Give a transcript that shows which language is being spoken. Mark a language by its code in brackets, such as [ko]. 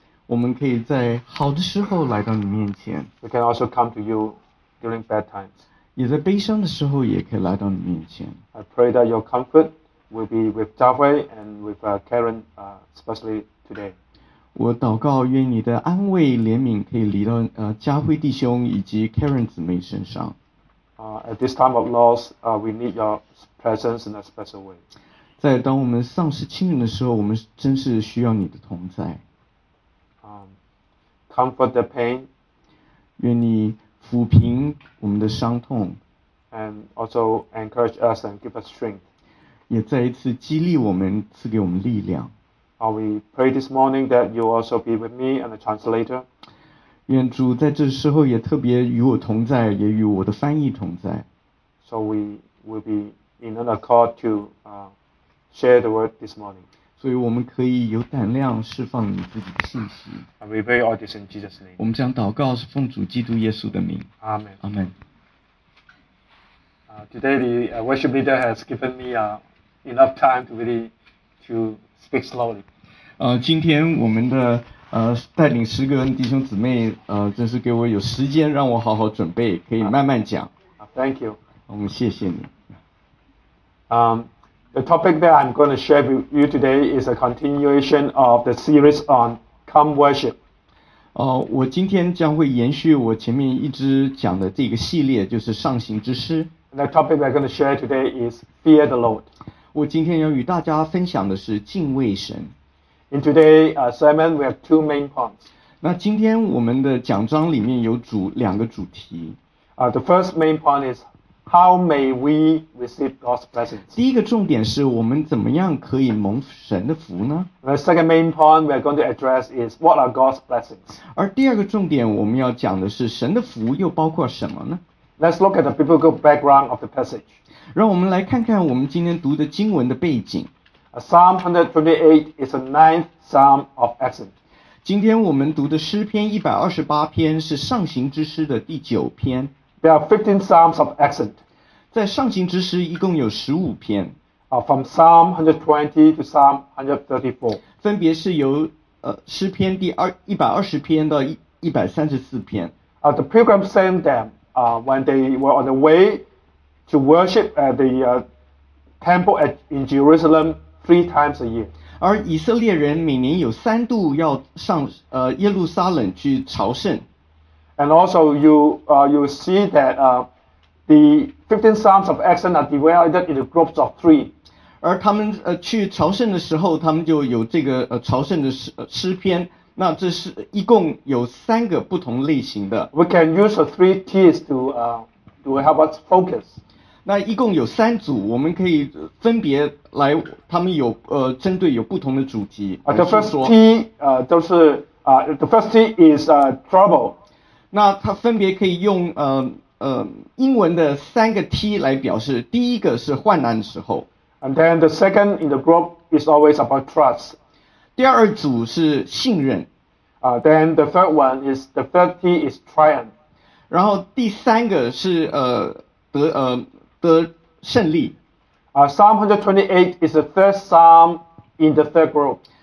[zh] 我们可以在好的时候来到你面前。 [en] We can also come to you during bad times. [zh] 也在悲伤的时候也可以来到你面前。 [en] I pray that your comfort will be with Jia Hui and with Karen, especially today. [zh] 我祷告愿你的安慰怜悯可以临到家辉弟兄以及 Karen 姊妹身上。 [en] At this time of loss, we need your presence in a special way. [zh] 在当我们丧失亲人的时候，我们真是需要你的同在。 [en] Comfort the pain. [zh] 愿你抚平我们的伤痛。 [en] And also encourage us and give us strength. [zh] 也再一次激励我们，赐给我们力量。 [en] We pray this morning that you also be with me and the translator. [zh] 愿主在这时候也特别与我同在，也与我的翻译同在。 [en] So we will be in an accord to share the word this morning. [zh] 所以我们可以有胆量释放你自己的信息。 [en] And we pray all this in Jesus' name. [zh] 我们将祷告是奉主基督耶稣的名。 [en] Amen. Amen. Today the worship leader has given me enough time to really to. Speak slowly. [zh] 今天我们的带领诗歌弟兄姊妹真是给我有时间让我好好准备，可以慢慢讲。 [en] Thank you. [zh] 我们谢谢你。 [en] The topic that I'm going to share with you today is a continuation of the series on Come Worship. [zh] 我今天将会延续我前面一直讲的这个系列，就是上行之诗。 [en] And the topic we're going to share today is Fear the Lord. [zh] 我今天要与大家分享的是敬畏神。 [en] In today's sermon, we have two main points. [zh] 那今天我们的讲章里面有两个主题。 [en] The first main point is how may we receive God's blessings. [zh] 第一个重点是我们怎么样可以蒙神的福呢？ [en] The second main point we are going to address is what are God's blessings. [zh] 而第二个重点我们要讲的是神的福又包括什么呢？ [en] Let's look at the biblical background of the passage. [zh] 让我们来看看我们今天读的经文的背景。 [en] Psalm 128 is the ninth Psalm of Ascent. [zh] 今天我们读的诗篇128篇是上行之诗的第九篇。 [en] There are 15 Psalms of Ascent. [zh] 在上行之诗一共有15篇。 [en] From Psalm 120 to Psalm 134. [zh] 分别是由诗篇第120篇到134篇。 [en] The pilgrim sang them when they were on the way. To worship at the temple in Jerusalem three times a year. [zh] 而以色列人每年有三度要上耶路撒冷去朝圣。 [en] And also you see that the 15 Psalms of Ascent are divided into groups of three. [zh] 而他们去朝圣的时候，他们就有这个朝圣的诗篇。那这是一共有三个不同类型的。 [en] We can use the three tiers to help us focus. [zh] 那一共有三组，我们可以分别来，他们有针对有不同的主题。 [en] The first T [zh] 都是 [en] the first T is trouble。 [zh] 那它分别可以用英文的三个 T 来表示，第一个是患难的时候。 [en] And then the second in the group is always about trust。 [zh] 第二组是信任。 [en] Then the third one is the third T is triumph。 [zh] 然后第三个是的胜利。 [en] Psalm 128 is the third psalm in the third group.